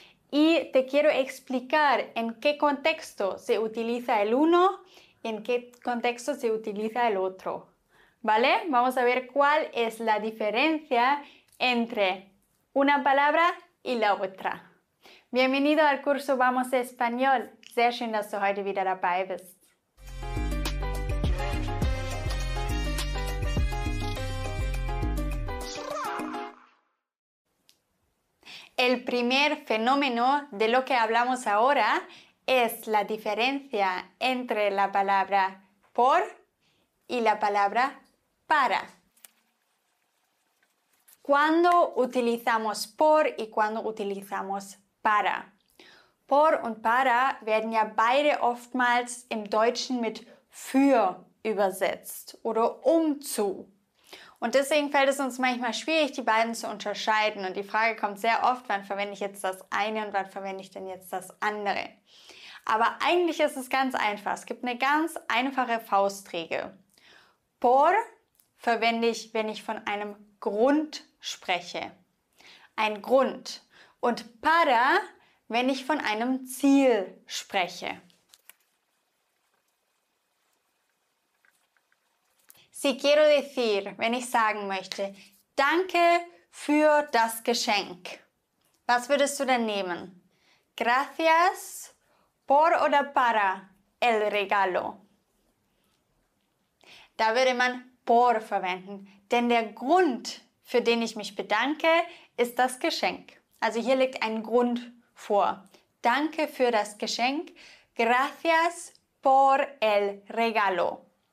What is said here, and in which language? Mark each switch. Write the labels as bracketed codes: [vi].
[es] Y te quiero explicar en qué contexto se utiliza el uno y en qué contexto se utiliza el otro. ¿Vale? Vamos a ver cuál es la diferencia entre una palabra y la otra. Bienvenido al curso Vamos a Español. [de] Sehr schön, dass du heute wieder dabei bist. [es] El primer fenómeno de lo que hablamos ahora es la diferencia entre la palabra por y la palabra para. ¿Cuándo utilizamos por y cuándo utilizamos para? [de] Por und para werden ja beide oftmals im Deutschen mit für übersetzt oder um zu. Und deswegen fällt es uns manchmal schwierig, die beiden zu unterscheiden. Und die Frage kommt sehr oft, wann verwende ich jetzt das eine und wann verwende ich denn jetzt das andere? Aber eigentlich ist es ganz einfach. Es gibt eine ganz einfache Faustregel. Por verwende ich, wenn ich von einem Grund spreche. Ein Grund. Und para, wenn ich von einem Ziel spreche. Si quiero decir, wenn ich sagen möchte, danke für das Geschenk. Was würdest du denn nehmen? [es] Gracias por oder para el regalo. [de] Da würde man por verwenden, denn der Grund, für den ich mich bedanke, ist das Geschenk. Also hier liegt ein Grund vor. Danke für das Geschenk. [es] Gracias por el regalo.